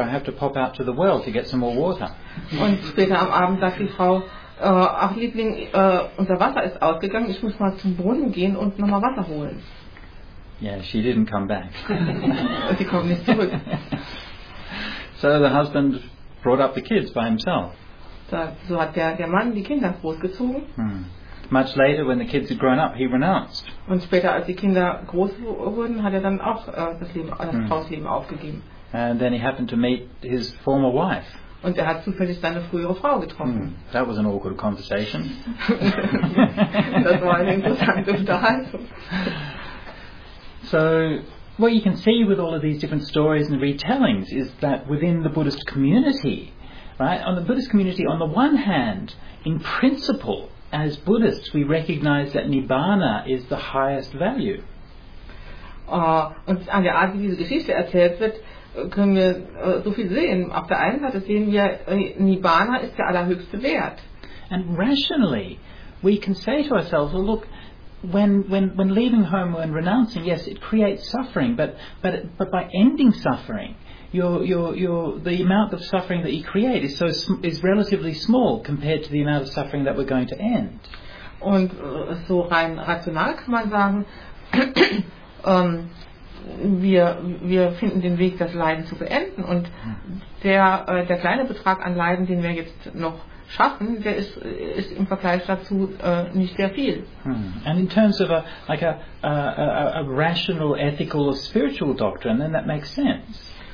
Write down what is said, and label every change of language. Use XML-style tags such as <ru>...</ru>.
<en>I have to pop out to the well to get some more water."</en> <de>Und später am Abend sagt die Frau, ach Liebling, unser Wasser ist ausgegangen. Ich muss mal zum Brunnen gehen und nochmal Wasser holen.</de> <en>Yeah, she didn't come back.</en> <de>Sie kommt nicht zurück.</de> <en>So the husband brought up the kids by himself.</en> <de>So hat der Mann die Kinder großgezogen. Hmm.</de> <en>Much later, when the kids had grown up, he renounced.</en> <de>Und später, als die Kinder groß wurden, hat dann auch das Leben, das Hausleben aufgegeben.</de> <en>And then he happened to meet his former wife.</en> <de>Und hat zufällig seine frühere Frau getroffen.</de> <en>That was an awkward conversation.</en> <de>Das war eine interessante Unterhaltung.</de> <en>So, what you can see with all of these different stories and retellings is that within the Buddhist community, right, on the Buddhist community, on the one hand, in principle, as Buddhists, we recognize that Nibbana is the highest value.</en> <de>Und an der Art, wie diese Geschichte erzählt wird, können wir so viel sehen. Auf der einen Seite sehen wir, Nibbana ist der allerhöchste Wert.</de> <en>And rationally, we can say to ourselves, well, look, when leaving home and renouncing, yes, it creates suffering, but by ending suffering, your the amount of suffering that you create is is relatively small compared to the amount of suffering that we're going to end.</en> <de>Und so rein rational kann man sagen, wir finden den Weg, das Leiden zu beenden, und der kleine Betrag an Leiden, den wir jetzt noch schaffen, der ist im Vergleich dazu nicht sehr viel.</de> <en>And in terms of a rational, ethical or spiritual doctrine, then that makes sense.</en>